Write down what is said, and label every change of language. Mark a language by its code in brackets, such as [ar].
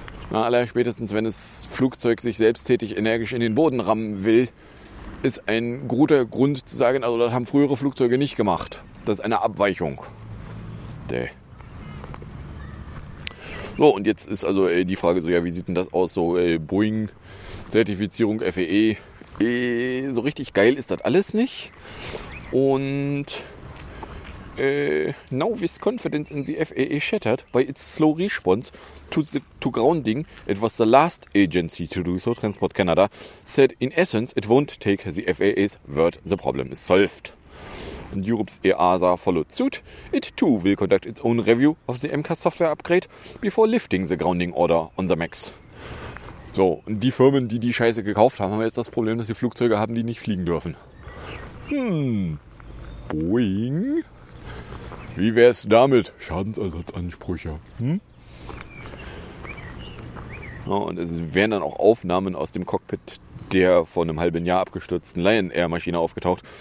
[de] Na, aller spätestens, wenn das Flugzeug sich selbsttätig energisch in den Boden rammen will, ist ein guter Grund zu sagen, also das haben frühere Flugzeuge nicht gemacht. Das ist eine Abweichung. So, und jetzt ist also die Frage so, ja, wie sieht denn das aus, so Boeing-Zertifizierung, FAA, so richtig geil ist das alles nicht. [en] Und now with confidence in the FAA shattered by its slow response to grounding, it was the last agency to do so, Transport Canada said in essence it won't take the FAA's word, the problem is solved. And Europe's EASA followed suit. It too will conduct its own review of the MCAS software upgrade before lifting the grounding order on the MAX. [de] So, und die Firmen, die die Scheiße gekauft haben, haben jetzt das Problem, dass sie Flugzeuge haben, die nicht fliegen dürfen. Boeing? Wie wär's damit? Schadensersatzansprüche. Ja, und es wären dann auch Aufnahmen aus dem Cockpit der vor einem halben Jahr abgestürzten Lion Air Maschine aufgetaucht.